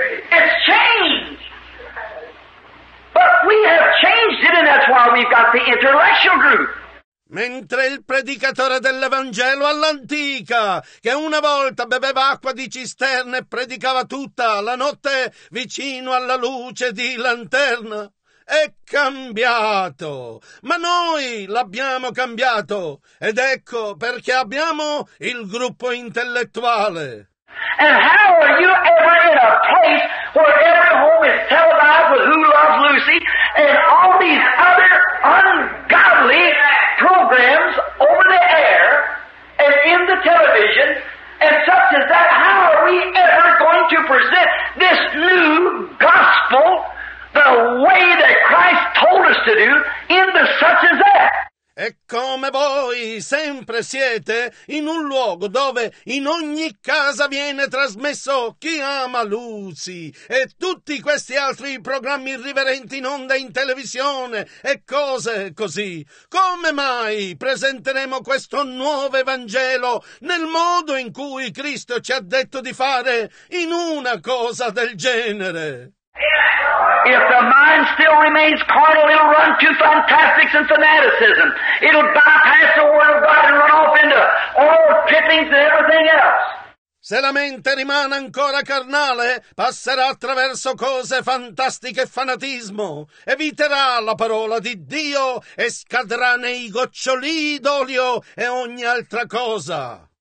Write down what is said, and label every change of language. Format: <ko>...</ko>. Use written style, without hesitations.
<en>It's changed. But we have changed it, and that's why we've got the intellectual group.</en> <it>Mentre il predicatore dell'Evangelo all'antica, che una volta beveva acqua di cisterna e predicava tutta la notte vicino alla luce di lanterna, è cambiato, ma noi l'abbiamo cambiato, ed ecco perché abbiamo il gruppo intellettuale.</it> <en>And how are you ever in a place where every home is televised with Who Loves Lucy and all these other ungodly programs over the air and in the television and such as that? How are we ever going to present this new gospel the way that Christ told us to do in the such as that?</en> <it>E come voi sempre siete in un luogo dove in ogni casa viene trasmesso Chi ama Lucy e tutti questi altri programmi irriverenti in onda in televisione e cose così. Come mai presenteremo questo nuovo Evangelo nel modo in cui Cristo ci ha detto di fare in una cosa del genere?</it> <en>If the mind still remains carnal, it'll run to fantastics and fanaticism. It'll bypass the Word of God and run off into all trippings and everything else.</en> <it>Se la mente rimane ancora carnale, passerà attraverso cose fantastiche e fanatismo. Eviterà la parola di Dio e scadrà nei goccioli d'olio e ogni altra cosa.</it>